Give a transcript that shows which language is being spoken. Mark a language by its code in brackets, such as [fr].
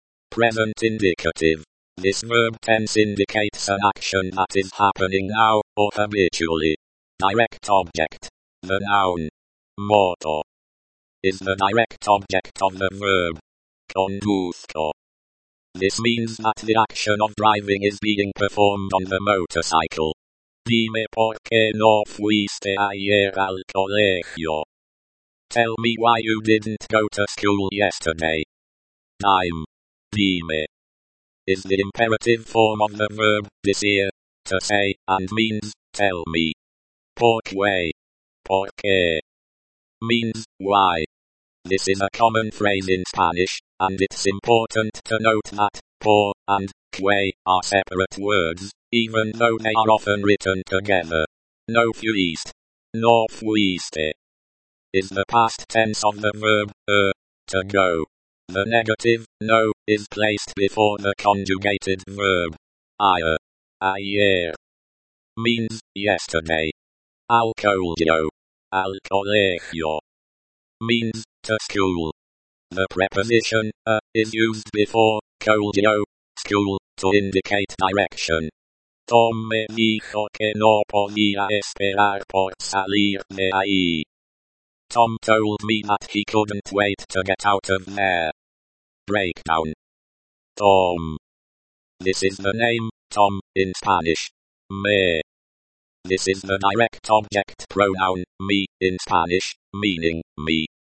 [en] Present indicative. This verb tense indicates an action that is happening now, or habitually. Direct object. The noun. Moto. Is the direct object of the verb. Conduzco. This means that the action of driving is being performed on the motorcycle. [es] Dime por qué no fuiste ayer al colegio. [en] Tell me why you didn't go to school yesterday. Time. Dime. Is the imperative form of the verb, decir, to say, and means, tell me. Por qué. Por qué. Means, why. This is a common phrase in Spanish, and it's important to note that por and qué are separate words, even though they are often written together. [es] No fuiste. No fuiste. [en] Is the past tense of the verb, to go. The negative, no, is placed before the conjugated verb. Ayer. Means, yesterday. [es] Al colegio. Al colegio. [en] Means, to school. The preposition, a, is used before, colegio, school, to indicate direction. [es] Tom me dijo que no podía esperar por salir de ahí. [en] Tom told me that he couldn't wait to get out of there. Breakdown. Tom. This is the name, Tom, in Spanish. Me. This is the direct object pronoun, me, in Spanish, meaning, me.